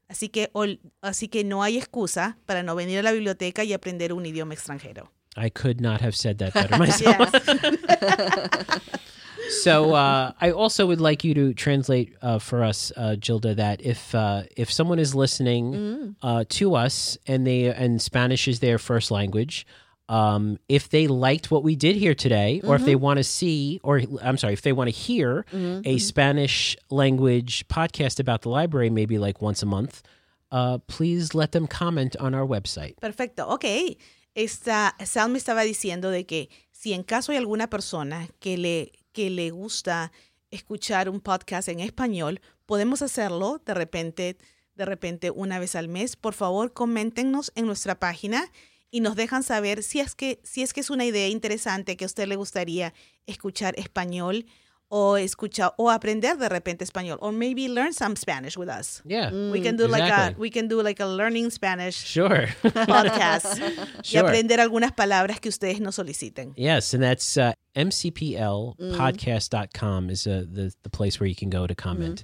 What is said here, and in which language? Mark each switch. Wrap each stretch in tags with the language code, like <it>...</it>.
<es>Así que no hay excusa para no venir a la biblioteca y aprender un idioma extranjero.</es> <en>I could not have said that better myself. So I also would like you to translate for us, Gilda, that if someone is listening to us and Spanish is their first language, if they liked what we did here today, or if they want to see, or I'm sorry, if they want to hear a Spanish language podcast about the library, maybe like once a month, please let them comment on our website.</en> <es>Perfecto.</es> <en>Okay.</en> <es>Sal me estaba diciendo de que si en caso hay alguna persona que le gusta escuchar un podcast en español, podemos hacerlo de repente una vez al mes. Por favor, coméntenos en nuestra página y nos dejan saber si es que es una idea interesante que a usted le gustaría escuchar español o aprender de repente español,</es> <en>or maybe learn some Spanish with us. Yeah, we can do like a learning Spanish podcast. Sure.</en> <es>Y aprender algunas palabras que ustedes nos soliciten.</es> <en>Yes, and that's mcplpodcast.com is the place where you can go to comment.</en>